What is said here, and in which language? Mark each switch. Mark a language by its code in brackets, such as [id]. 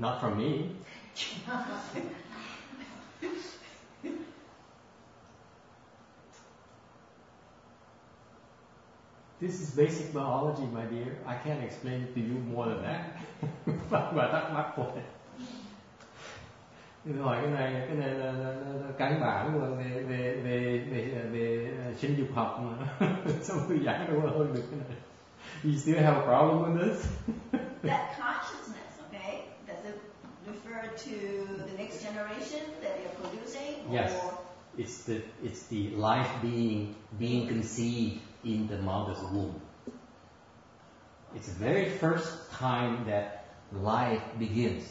[en] Not from me. This is basic biology, my dear. I can't explain it to you more than that. But that's my point. [vi] Mình hỏi cái này là căn bản của về sinh dục học mà xong tôi giải đâu hơn được cái này. [en] You still have a problem with this? That consciousness, okay, does it refer to the next generation that you're producing? Yes, it's the life being conceived in the mother's womb. It's the very first time that life begins.